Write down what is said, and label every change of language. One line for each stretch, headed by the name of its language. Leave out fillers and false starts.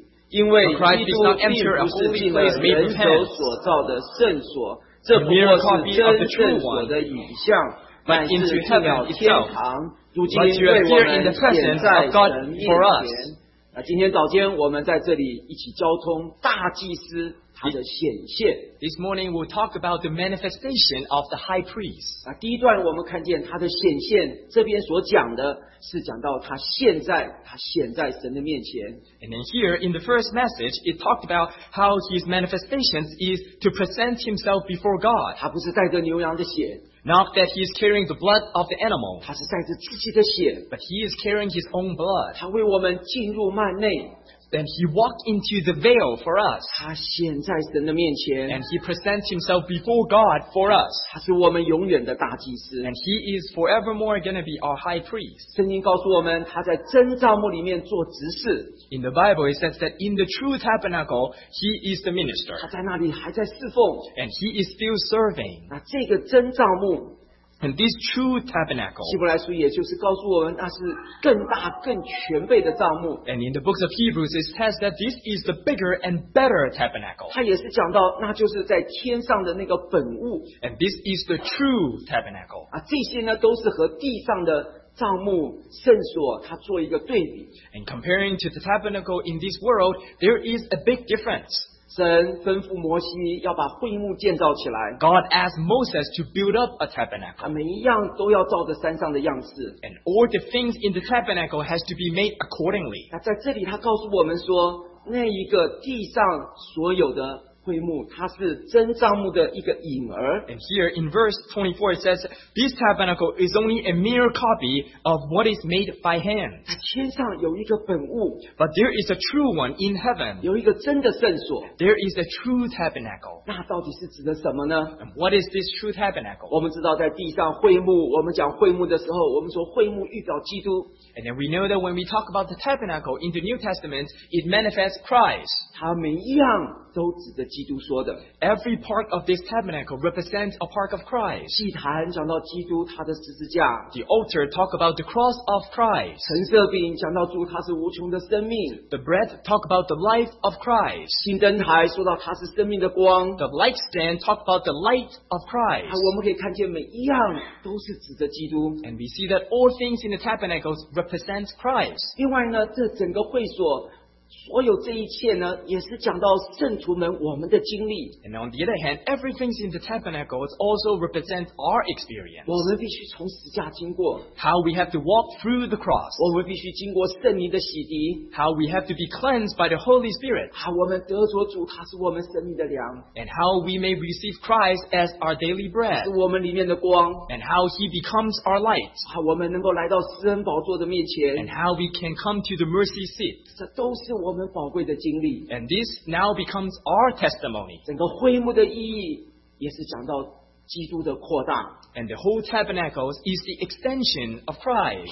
Chinese: 因为基督并不是进了人手所造的圣所，这不过是真圣所的影像，乃是进了天堂，如今为我们显在神面前。今天早间我们在这里一起交通大祭司他的显现。
English: This morning we'll talk about the manifestation of the high priest.
Chinese: 第一段我们看见他的显现，这边所讲的是讲到他现在，他显在神的面前。
English: And then here in the first message, it talked about how his manifestations is to present himself before God.
Chinese: 他不是带着牛羊的血。
English: Not that he is carrying the blood of the animal.
Chinese: 他是带着自己的血。
English: But he is carrying his own blood.
Chinese: 他为我们进入幔内。
English: Then he walked into the veil for us.
Chinese: 他显在神的面前。
English: And he presents himself before God for us.
Chinese: 他是我们永远的大祭司。
English: And he is forevermore going to be our high priest.
Chinese: 圣经告诉我们他在真帐幕里面做执事。
English: In the Bible it says that in the true tabernacle, he is the minister.
Chinese: 他在那里还在侍奉。
English: And he is still serving.
Chinese: 那这个真帐幕。
English: And this true tabernacle,
Chinese: 希伯来书也就是告诉我们，那是更大、更全备的帐幕。
English: And in the books of Hebrews, it says that this is the bigger and better tabernacle.
Chinese: 它也是讲到，那就是在天上的那个本物。
English: And this is the true tabernacle.
Chinese: 这些呢，都是和地上的帐幕、圣所，它做一个对比。
English: And comparing to the tabernacle in this world, there is a big difference.
Chinese: 神吩咐摩西要把会幕建造起来。
English: God asked Moses to build up a tabernacle.
Chinese: 他每一样都要照着山上的样式。
English: And all the things in the tabernacle has to be made accordingly.
Chinese: 那在这里他告诉我们说，那一个地上所有的会幕，它是真帐幕的一个影儿。
English: And here in verse 24 it says, this tabernacle is only a mere copy of what is made by hand.
Chinese: 在天上有一个本物。
English: But there is a true one in heaven.
Chinese: 有一个真的圣所。
English: There is a true tabernacle.
Chinese: 那到底是指的什么呢？
English: And what is this true tabernacle?
Chinese: 我们知道在地上会幕，我们讲会幕的时候，我们说会幕预表基督。
English: And then we know that when we talk about the tabernacle in the New Testament, it manifests Christ.
Chinese: 它每一样都指着基督说的。
English: Every part of this tabernacle represents a part of Christ.
Chinese: 祭坛讲到基督他的十字架。
English: The altar talk about the cross of Christ.
Chinese: 陈设饼讲到主他是无穷的生命。
English: The bread talk about the life of Christ.
Chinese: 金灯台说到他是生命的光。
English: The lightstand talk about the light of Christ.
Chinese: 我们可以看见每一样都是指着基督。
English: And we see that all things in the tabernacle represents Christ.
Chinese: 另外呢，这整个会所所有这一切呢，也是讲到圣徒们我们的经历。
English: And on the other hand, everything in the tabernacle also represents our experience.
Chinese: 我们必须从十字架经过。
English: How we have to walk through the cross.
Chinese: 我们必须经过圣灵的洗涤。
English: How we have to be cleansed by the Holy Spirit.
Chinese: 好，我们得着主，他是我们生命的粮。
English: And how we may receive Christ as our daily bread.
Chinese: 是我们里面的光。
English: And how he becomes our light.
Chinese: 好，我们能够来到施恩宝座的面前。
English: And how we can come to the mercy seat.
Chinese: 这都是我们宝贵的经历。
English: And this now becomes our testimony.
Chinese: 整个会幕的意义也是讲到基督的扩大。
English: And the whole tabernacle is the extension of Christ.